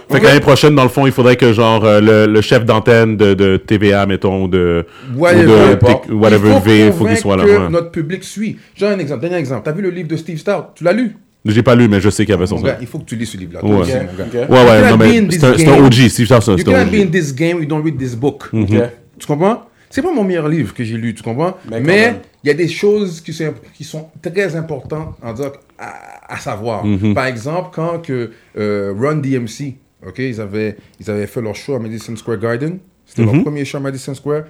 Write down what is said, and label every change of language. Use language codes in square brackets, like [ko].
[fr] Fait que l'année prochaine, dans le fond, il faudrait que genre le chef d'antenne de TVA, mettons, ou de whatever, il faut qu'il soit là. Que ouais. notre public suit. J'ai un exemple, dernier exemple. T'as vu le livre de Steve Stout? Tu l'as lu? J'ai pas lu, mais je sais qu'il y avait son gars, il faut que tu lis ce livre-là. Ouais, okay. ouais, ouais non, mais c'est un OG. Steve Stout, c'est un OG. [en] You can't be in this game, you don't read this book. [fr] Tu comprends? C'est pas mon meilleur livre que j'ai lu, tu comprends? Mais il y a des choses qui sont très importantes en dire, à savoir. Mm-hmm. Par exemple, quand que Run DMC, okay, ils avaient fait leur show à Madison Square Garden. C'était leur premier show à Madison Square.